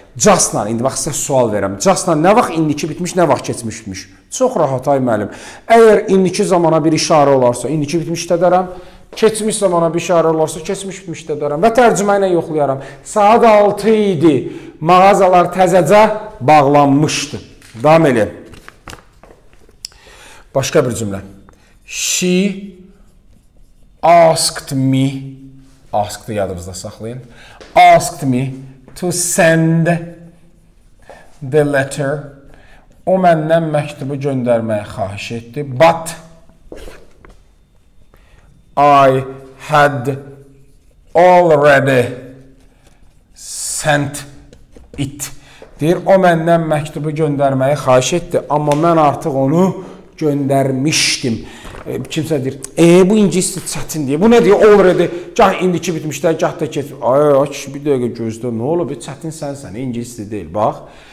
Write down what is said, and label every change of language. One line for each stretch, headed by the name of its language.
Azerbaijani: Just-la, indi bax sizə sual verirəm. Just-la nə vaxt indiki bitmiş, nə vaxt keçmiş bitmiş? Çox rahat ay müəllim. Əgər indiki zamana bir işarə olarsa, indiki bitmiş də deyərəm. Keçmiş zamana bir işarə olarsa, keçmiş bitmiş də deyərəm. Və tərcümə ilə yoxlayaram. Saat 6 idi. Mağazalar təzəcə bağlanmışdı. Davam edin. Başqa bir cümlə.
English: She asked me, asked
Azerbaijani: yadınızda saxlayın,
English: asked me to send the letter.
Azerbaijani: O məndən məktubu göndərməyə xahiş etdi.
English: But I had already sent it.
Azerbaijani: Deyir, o məndən məktubu göndərməyə xahiş etdi, amma mən artıq onu göndərmişdim. Kimsə deyir, bu incisi çatın deyir. Bu nə deyir, already, gah indiki bitmişlər, gah da keçir. Ay, kişi bir dəqiqə gözlə, nə olub, çatın sənsən, incisi deyil, bax.